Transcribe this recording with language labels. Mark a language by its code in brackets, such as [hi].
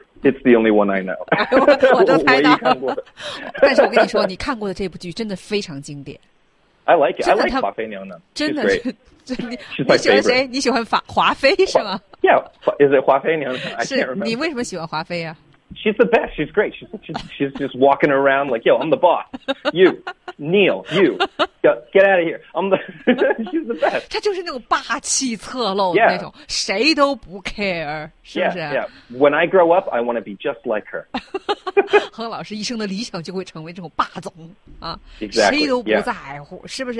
[en] It's the only one I know 、哎 [zh] 我都猜到了。我但是我跟你说，你看过的这部剧真的非常经典。 [en] I like it. I like 华妃娘娘。 [zh] 真的是，你喜欢谁？你喜欢华妃是吗 [en] ？Yeah, is it 华妃娘娘？ [zh] 是你为什么喜欢华妃啊？ [en] She's the best. She's great. She's just walking around like, yo, I'm the boss. You, Neil, you, get out of here. I'm the, she's the best. [zh] 她就是那种霸气侧漏的那种，谁都不 care, 是不是？ [en] Yeah, yeah. When I grow up, I want to be just like her. [zh] 恒老师一生的理想就会成为这种霸总啊， [en] exactly, [zh] 谁都不在乎， [en] yeah. [zh] 是不是？